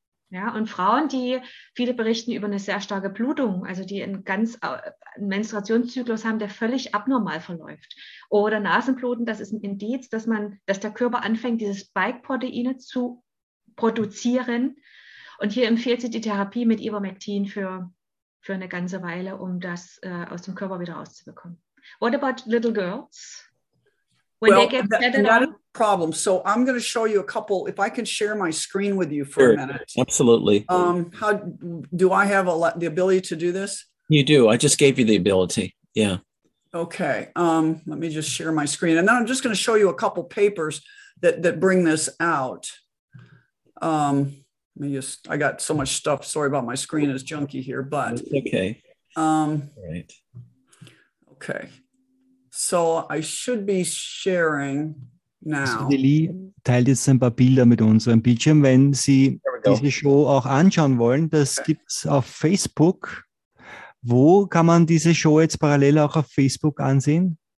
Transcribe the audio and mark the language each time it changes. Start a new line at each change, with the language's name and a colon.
German: Ja, und Frauen, die viele berichten über eine sehr starke Blutung, also die einen Menstruationszyklus haben, der völlig abnormal verläuft. Oder Nasenbluten, das ist ein Indiz, dass der Körper anfängt, diese Spike-Proteine zu produzieren. Und hier empfiehlt sie die Therapie mit Ivermectin für eine ganze Weile, um das aus dem Körper wieder rauszubekommen.
English: What about little girls? When that is a problem. So I'm going to show you a couple, if I can share my screen with you for a minute. Absolutely. How do I have the ability to do this? You do. I just gave you the ability. Yeah. Okay. Let me just share my screen. And then I'm just going to show you a couple papers that bring this out. I got so much stuff. Sorry about my screen is junky here, but. That's okay. Right. Okay. So I should be sharing now. So
German: Lili teilt jetzt ein paar Bilder mit unserem Bildschirm. Wenn Sie diese Show auch anschauen wollen, das gibt es auf Facebook. Wo kann man diese Show jetzt parallel auch auf Facebook ansehen?